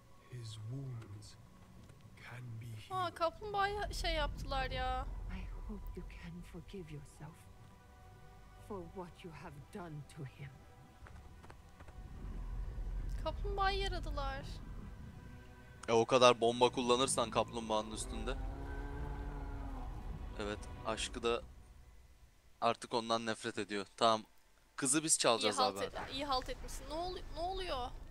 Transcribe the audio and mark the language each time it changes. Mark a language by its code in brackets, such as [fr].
[en] His wounds can be healed. [tr] Ha, kaplumbağaya şey yaptılar ya. [en] I hope you can forgive yourself for what you have done to him. [tr] Kaplumbağayı yaradılar. E o kadar bomba kullanırsan kaplumbağanın üstünde. Evet, aşkı da artık ondan nefret ediyor. Tamam. Kızı biz çalacağız i̇yi abi. İyi halt etmişsin. Ne oluyor?